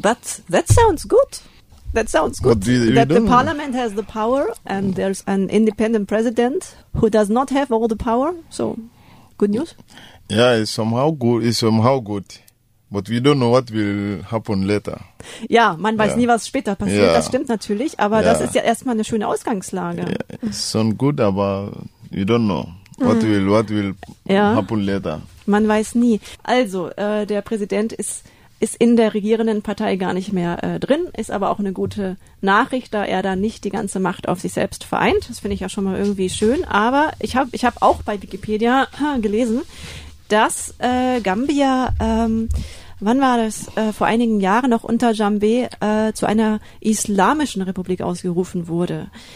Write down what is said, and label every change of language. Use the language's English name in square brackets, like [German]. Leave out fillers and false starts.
[English] But that sounds good. That sounds good, that the parliament has the power and there's an independent president who does not have all the power. So, good news? Yeah, it's somehow good. But we don't know what will happen later. [German] Ja, man weiß nie, was später passiert. Yeah. Das stimmt natürlich, aber das ist ja erstmal eine schöne Ausgangslage. [English] Yeah. Sound good, aber we don't know what will happen later. [German] Man weiß nie. Also, der Präsident ist in der regierenden Partei gar nicht mehr drin, ist aber auch eine gute Nachricht, da er da nicht die ganze Macht auf sich selbst vereint. Das finde ich ja schon mal irgendwie schön. Aber ich hab auch bei Wikipedia gelesen, dass Gambia, wann war das, vor einigen Jahren noch unter Jambé, zu einer islamischen Republik ausgerufen wurde.